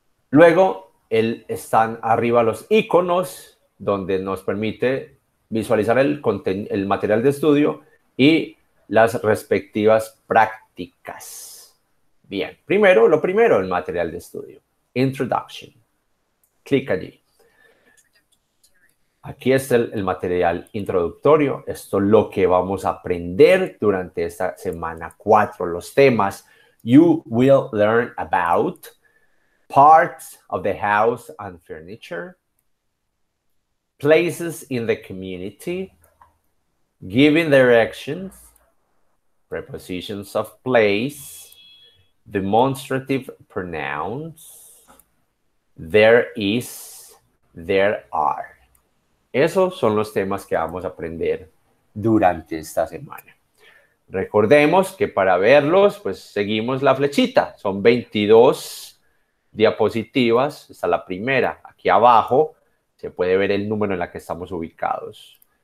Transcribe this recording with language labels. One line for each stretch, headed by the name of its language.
Spanish: Luego, están arriba los iconos donde nos permite visualizar el material de estudio y las respectivas prácticas. Bien, primero, lo primero, el material de estudio. Introduction. Clic allí. Aquí está el material introductorio. Esto es lo que vamos a aprender durante esta semana 4. Los temas.
English: You will learn about parts of the house and furniture. Places in the community, giving directions, prepositions of place, demonstrative pronouns, there is, there are.
Spanish: Esos son los temas que vamos a aprender durante esta semana. Recordemos que para verlos, pues seguimos la flechita. Son 22 diapositivas. Esta es la primera, aquí abajo. Se puede ver el número en la que estamos ubicados.